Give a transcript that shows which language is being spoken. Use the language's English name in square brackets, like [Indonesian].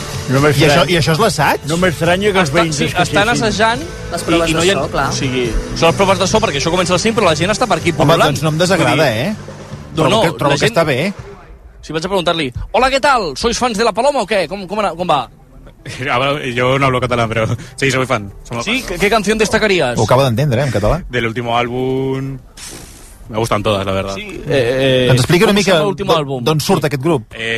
[Catalan] No m'estranyo. I això és l'assaig? No m'estranyo que els veïns... Sí, estan assajant... Les proves i no ha, de so, clar. O sigui, són les proves de so, perquè això comença a les 5, però la gent està per aquí pulant. Home, doncs no em desagrada, eh? No, trobo no, que, trobo la que gent... està bé. Si vaig a preguntar-li, hola, què tal? [Spanish] Sois fans de La Paloma o [Catalan] què? Com va? [Spanish] Yo no hablo catalán, pero sí, soy fan. ¿Sí? ¿Qué canción destacarías? [Catalan] Ho acabo d'entendre, en català. [Spanish] Del último álbum... Me gustan todas, la verdad. Sí, [Catalan] Doncs explica una mica d'on surt aquest grup.